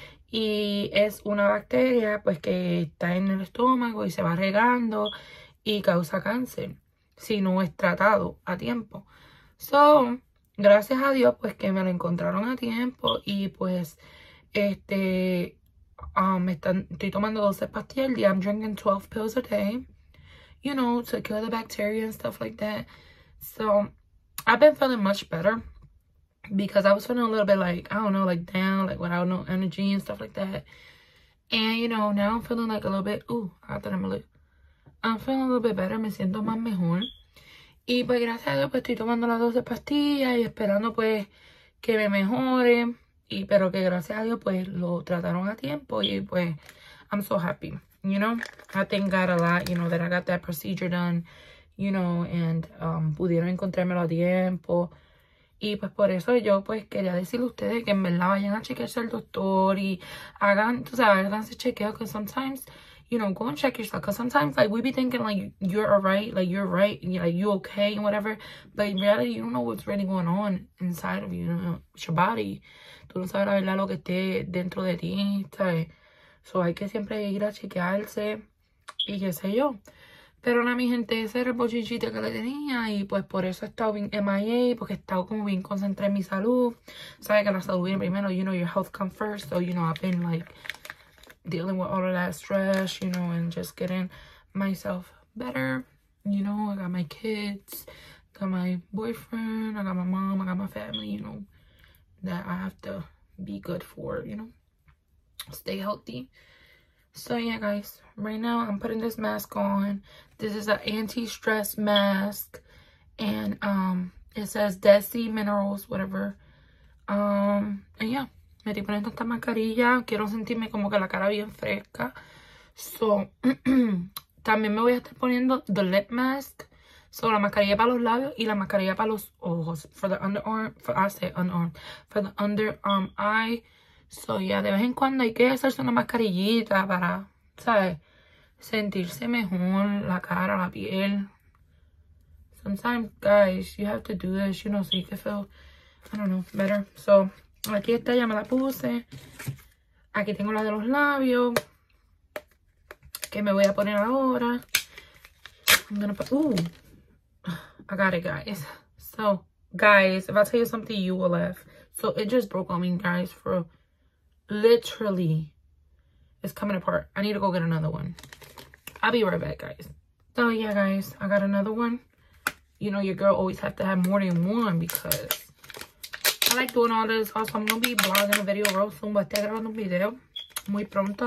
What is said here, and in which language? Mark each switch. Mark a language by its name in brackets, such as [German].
[Spanish] Y es una bacteria, pues, que está en el estómago y se va regando y causa cáncer si no es tratado a tiempo. So, gracias a Dios, pues, que me lo encontraron a tiempo y, pues, estoy tomando 12 pastillas al día. [English] I'm drinking 12 pills a day, you know, to kill the bacteria and stuff like that. So, I've been feeling much better because I was feeling a little bit, like, I don't know, like, down, like, without no energy and stuff like that. And, you know, now I'm feeling, like, a little bit, I'm feeling a little bit better. [Spanish] Me siento más mejor. Y pues gracias a Dios, pues estoy tomando las 12 pastillas y esperando pues que me mejore. Y pero que gracias a Dios pues lo trataron a tiempo y pues [English] I'm so happy. You know, I thank God a lot, you know, that I got that procedure done, you know, and [Spanish] pudieron encontrármelo a tiempo. Y pues por eso yo pues quería decirle a ustedes que en verdad vayan a chequearse al doctor y hagan, tú sabes, háganse chequeos, que sometimes, [English] you know, go and check yourself. Because sometimes, like, we be thinking, like, you're all right. Like, you're right. And you're, like, you okay and whatever. But in reality, you don't know what's really going on inside of you. You know, it's your body. [Spanish] Tú no sabes la verdad lo que esté dentro de ti, ¿sabes? So, hay que siempre ir a chequearse. Y qué sé yo. Pero nada, mi gente, ese era el bochinchito que le tenía. Y pues por eso he estado bien MIA. Porque he estado como bien concentrada en mi salud. Sabes que la salud viene primero. [English] You know, your health comes first. So, you know, I've been like dealing with all of that stress, you know, and just getting myself better. You know, I got my kids, got my boyfriend, I got my mom, I got my family, you know, that I have to be good for, you know, stay healthy. So yeah, guys, right now I'm putting this mask on. This is an anti-stress mask, and it says Desi Minerals, whatever. [Spanish] And yeah, me estoy poniendo esta mascarilla. Quiero sentirme como que la cara bien fresca. So, también me voy a estar poniendo [English] the lip mask. [Spanish] So, la mascarilla para los labios y la mascarilla para los ojos. [English] For the underarm, for, I say underarm. For the underarm eye. [Spanish] So, yeah, de vez en cuando hay que hacerse una mascarillita para, ¿sabes? Sentirse mejor la cara, la piel. [English] Sometimes, guys, you have to do this, you know, so you can feel, I don't know, better. [Spanish] So, aquí está, ya me la puse. Aquí tengo la de los labios. Que me voy a poner ahora. [English] I'm gonna put, ooh. I got it, guys. So, guys, if I tell you something, you will laugh. So, it just broke on me, guys, for literally. It's coming apart. I need to go get another one. I'll be right back, guys. So, yeah, guys, I got another one. You know, your girl always have to have more than one because I like doing all this. Also, I'm going to be vlogging a video real soon. [Spanish] Voy a estar grabando un video muy pronto.